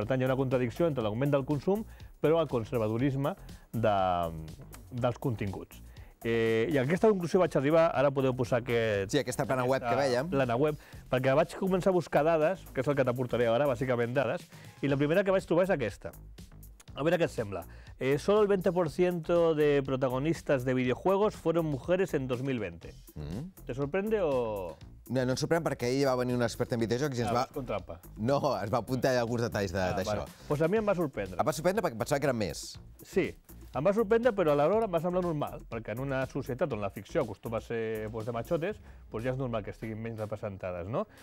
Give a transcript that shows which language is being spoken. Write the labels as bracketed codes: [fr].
[ca] Per tant, hi ha una contradicció entre l'augment del consum però el conservadorisme dels continguts. I aquesta conclusió vaig arribar, ara podeu posar aquest... Sí, aquesta plana web que vèiem. Plana web, perquè vaig començar a buscar dades, que és el que t'aportaré ara, bàsicament dades, i la primera que vaig trobar és aquesta. A veure què et sembla. [es] Solo el 20% de protagonistas de videojuegos fueron mujeres en 2020. Mm. ¿Te sorprende o...? [ca] Mira, no ens sorprèn perquè ahir va venir un expert en videojocs i ens va... Contrapa. No, es va apuntar alguns detalls d'això. Doncs pues a mi em va sorprendre. Em va sorprendre perquè pensava que eren més. Sí, em va sorprendre, però alhora em va semblar normal, perquè en una societat on la ficció acostuma a ser pues, de machotes, pues, ja és normal que estiguin menys representades, no?